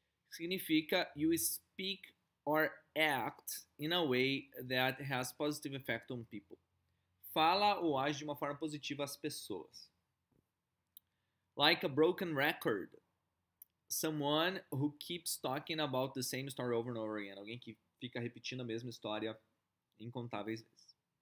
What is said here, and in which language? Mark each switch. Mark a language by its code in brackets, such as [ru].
[pt] Significa [en] you speak or act in a way that has positive effect on people. [pt] Fala ou age de uma forma positiva às pessoas. [en] Like a broken record. Someone who keeps talking about the same story over and over again. [pt] Alguém que fica repetindo a mesma história incontáveis vezes.